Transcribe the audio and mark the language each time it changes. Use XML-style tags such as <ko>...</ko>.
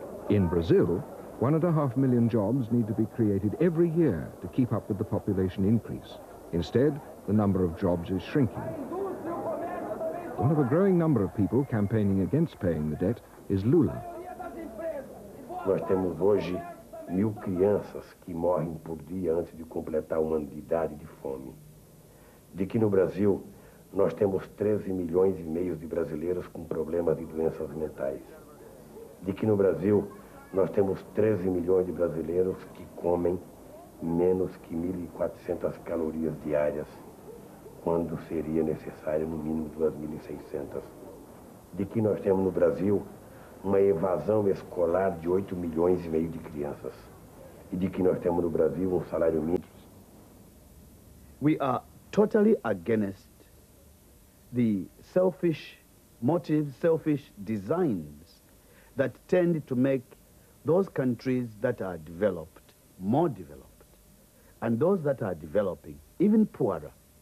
<en>In Brazil, 1.5 million jobs need to be created every year to keep up with the population increase. Instead, the number of jobs is shrinking. One of a growing number of people campaigning against paying the debt is Lula.</en> <pt>Nós temos hoje 1,000 crianças que morrem por dia antes de completar 1 ano de idade de fome. De que no Brasil nós temos 13,5 milhões de brasileiros com problemas de doenças mentais. De que no Brasil nós temos 13 milhões de brasileiros que comem menos que 1.400 calorias diárias, quando seria necessário no mínimo 2.600. De que nós temos no Brasil uma evasão escolar de 8,5 milhões de crianças. E de que nós temos no Brasil um salário mínimo.</pt> <en>We are totally against the selfish motives, selfish designs that tend to make those countries that are developed, more developed, and those that are developing, even poorer.</en>